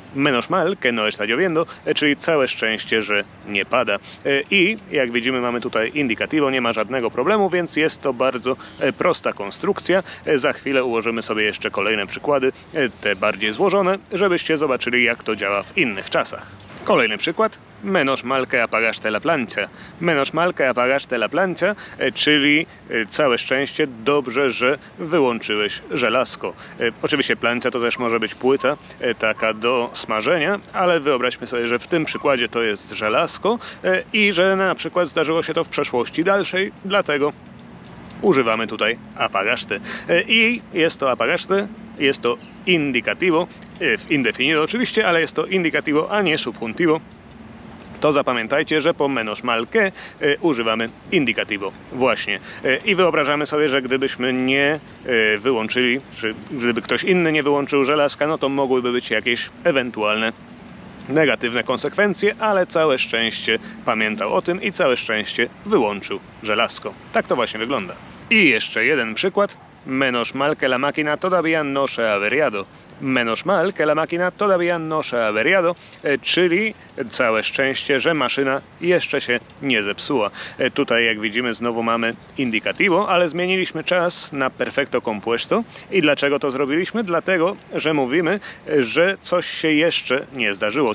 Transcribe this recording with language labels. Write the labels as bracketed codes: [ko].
[es] Menos mal que no está lloviendo, [pl] czyli całe szczęście, że nie pada. I jak widzimy, mamy tutaj indicativo, nie ma żadnego problemu, więc jest to bardzo prosta konstrukcja. Za chwilę ułożymy sobie jeszcze kolejne przykłady, te bardziej złożone, żebyście zobaczyli, jak to działa w innych czasach. Kolejny przykład. [es] Menos mal que apagaste la plancha. Menos mal que apagaste la plancha, [pl] czyli całe szczęście, dobrze, że wyłączyłeś żelazko. Oczywiście plancha to też może być płyta, taka do smażenia, ale wyobraźmy sobie, że w tym przykładzie to jest żelazko i że na przykład zdarzyło się to w przeszłości dalszej, dlatego używamy tutaj apagaste. I jest to apagaste, jest to indicativo, indefinido oczywiście, ale jest to indicativo, a nie subjuntivo. To zapamiętajcie, że po menos mal que używamy indicativo. Właśnie. I wyobrażamy sobie, że gdybyśmy nie wyłączyli, czy gdyby ktoś inny nie wyłączył żelazka, no to mogłyby być jakieś ewentualne negatywne konsekwencje, ale całe szczęście pamiętał o tym i całe szczęście wyłączył żelazko. Tak to właśnie wygląda. I jeszcze jeden przykład. [es] Menos mal que la máquina todavía no se ha averiado. Menos mal que la máquina todavía no se ha averiado, [pl] czyli całe szczęście, że maszyna jeszcze się nie zepsuła. Tutaj, jak widzimy, znowu mamy indicativo, ale zmieniliśmy czas na perfecto compuesto. I dlaczego to zrobiliśmy? Dlatego, że mówimy, że coś się jeszcze nie zdarzyło.